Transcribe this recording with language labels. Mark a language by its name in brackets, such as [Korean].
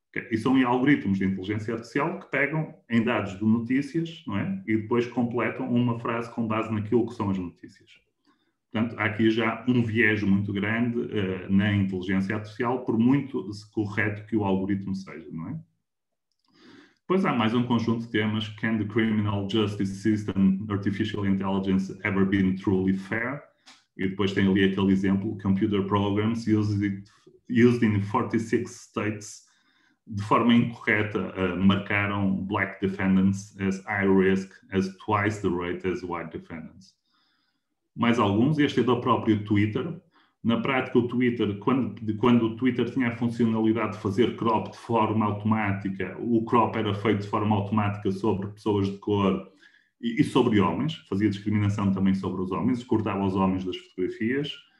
[Portuguese] E são algoritmos de inteligência artificial que pegam em dados de notícias, não é? E depois completam uma frase com base naquilo que são as notícias. Portanto, há aqui já um viés muito grande na inteligência artificial, por muito correto que o algoritmo seja, não é? Depois há mais um conjunto de temas. [English] Can the criminal justice system, artificial intelligence, ever been truly fair? [Portuguese] E depois tem ali aquele exemplo, [English] computer programs used in 46 states [Portuguese] de forma incorreta, marcaram [English] black defendants as high risk, as twice the rate as white defendants. [Portuguese] Mais alguns, este é do próprio Twitter. Na prática, o Twitter, quando o Twitter tinha a funcionalidade de fazer crop de forma automática, o crop era feito de forma automática sobre pessoas de cor e sobre homens, fazia discriminação também sobre os homens, cortava os homens das fotografias.